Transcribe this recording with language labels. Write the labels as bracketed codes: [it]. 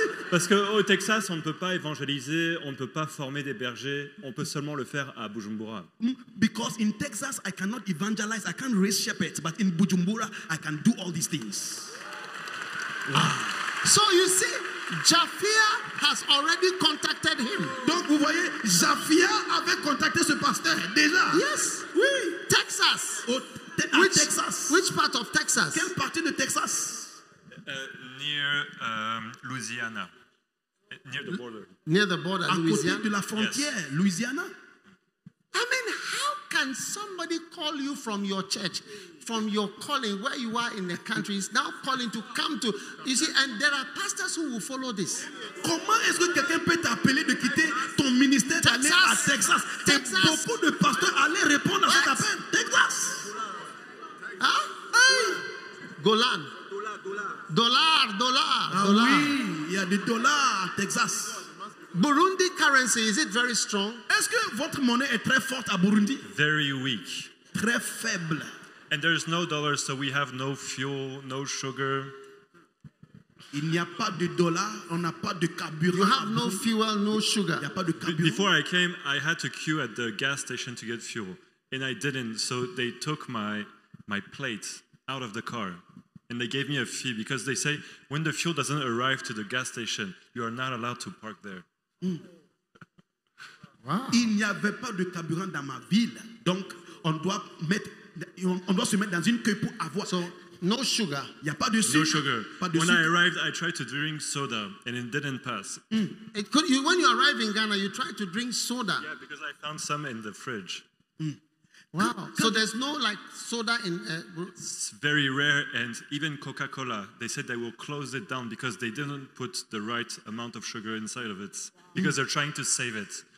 [fr] Parce qu'au Texas, on ne peut pas évangéliser, on ne peut pas former des bergers, on peut seulement le faire à Bujumbura. [en] Because in Texas, I cannot evangelize, I can't raise shepherds, but in Bujumbura, I can do all these things. Ah. So you see, Jafia has already contacted him. [fr] Donc vous voyez, Jafia avait contacté ce pasteur déjà. [en] Yes, [fr] oui. [en] Texas. Texas. Which part of Texas? [fr] Quelle partie de Texas? [en] Near Louisiana. Near the border. Near the border, Louisiana. [fr] À côté de la frontière, [en] yes. [fr] Louisiana. [en] I mean, how can somebody call you from your church, from your calling, where you are in the country, is now calling to come to, you see, and there are pastors who will follow this. [fr] Comment est-ce que quelqu'un peut t'appeler de quitter ton ministère, d'aller à Texas? [en] Texas. [fr] Et beaucoup de pasteurs allaient répondre à cet appel. [en] Texas. Huh? Hey. Golan. Dollar. [fr] Oui, il y a des dollars à Texas. [en] Burundi currency, is it very strong? [fr] Est-ce que votre monnaie est très forte à Burundi? [en] Very weak. [fr] Très faible. [en] And there is no dollar, so we have no fuel, no sugar. [fr] Il n'y a pas de dollar, on n'a pas de carburant. [en] You have no fuel, no sugar. [fr] Il n'y a pas de carburant. [en] Before I came, I had to queue at the gas station to get fuel. And I didn't, so they took my plate out of the car. And they gave me a fee because they say when the fuel doesn't arrive to the gas station, you are not allowed to park there. Mm. Wow. [fr] Il n'y avait pas de carburant dans ma ville, donc on doit se mettre dans une queue pour avoir. [en] So, no sugar. [fr] Il y a pas de sucre. [en] No sugar. [fr] Pas [en] de when sucre. I arrived, I tried to drink soda, and it didn't pass. Mm. It could, when you arrive in Ghana, you try to drink soda. Yeah, because I found some in the fridge. Mm. Wow. So there's no like soda in It's very rare, and even Coca-Cola, they said they will close it down because they didn't put the right amount of sugar inside of it because they're trying to save it.